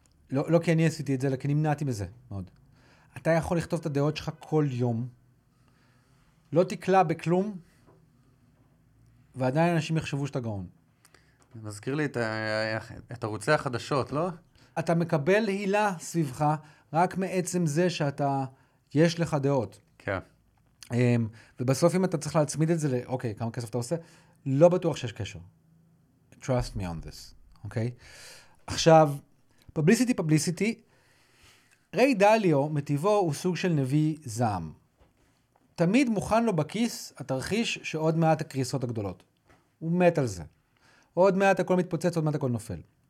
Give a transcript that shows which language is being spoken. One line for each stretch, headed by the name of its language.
Hebrew: לא כי אני עשיתי את זה, אלא כי נמנעתי מזה מאוד. אתה יכול לכתוב את הדעות שלך כל יום, לא תקלע בכלום, ועדיין אנשים יחשבו שאתה גאון. מזכיר לי את ערוצי החדשות, לא? אתה מקבל הילה סביבך, רק מעצם זה שאתה, יש לך דעות. כן. ובסוף אם אתה צריך להצמיד את זה, אוקיי, כמה כסף אתה עושה, לא בטוח שיש קשר.
English: Trust me on this, אוקיי?
Hebrew: עכשיו, publicity. ריי דליו, מטבעו, הוא סוג של נביא זעם. תמיד מוכן לו בכיס, התרחיש שעוד מעט הקריסות הגדולות. הוא מת על זה. עוד מעט הכל מתפוצץ, עוד מעט הכל נופל.